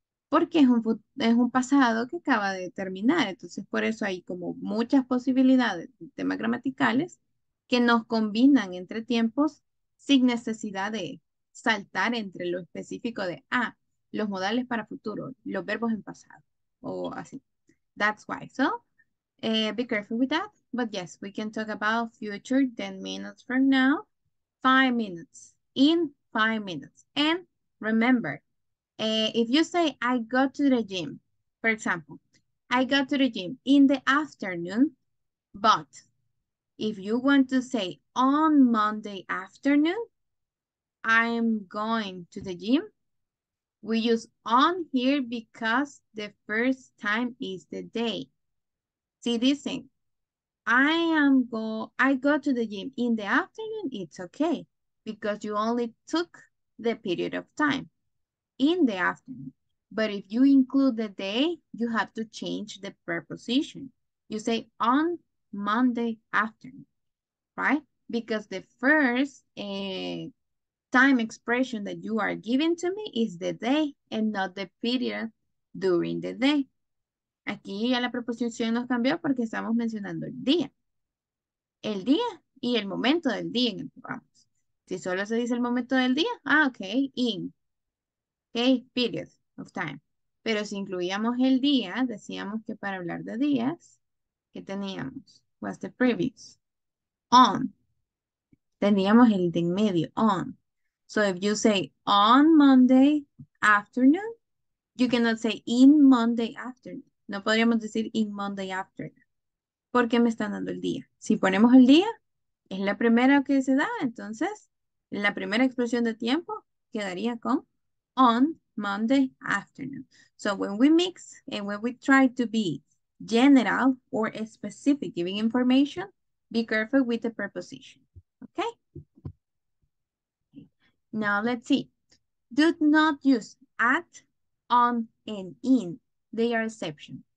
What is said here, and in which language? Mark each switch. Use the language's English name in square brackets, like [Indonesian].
[Spanish] Porque es un pasado que acaba de terminar. Entonces, por eso hay como muchas posibilidades de temas gramaticales que nos combinan entre tiempos sin necesidad de saltar entre lo específico de, los modales para futuro, los verbos en pasado, o así. [English] That's why. So, be careful with that. But yes, we can talk about future 10 minutes from now. 5 minutes, in 5 minutes. And remember, If you say, I go to the gym, for example, I go to the gym in the afternoon, but if you want to say on Monday afternoon, I'm going to the gym, we use on here because the first time is the day. See this thing? I go to the gym in the afternoon, it's okay, because you only took the period of time in the afternoon. But if you include the day, you have to change the preposition. You say on Monday afternoon, right? Because the first time expression that you are giving to me is the day and not the period during the day. [Spanish] Aquí ya la preposición nos cambió porque estamos mencionando el día y el momento del día en el programa. Si solo se dice el momento del día, ah, okay, [English] in, okay, period of time. [Spanish] Pero si incluíamos el día, decíamos que para hablar de días, ¿qué teníamos? [English] What's the previous? [Spanish] On. Teníamos el de en medio, on. [English] So if you say on Monday afternoon, you cannot say in Monday afternoon. [Spanish] No podríamos decir [English] in Monday afternoon. [Spanish] Porque me están dando el día. Si ponemos el día, es la primera que se da. Entonces, la primera expresión de tiempo quedaría con [English] on Monday afternoon. So when we mix and when we try to be general or specific giving information, be careful with the preposition. Okay? Now let's see. Do not use at, on, and in. They are exceptions.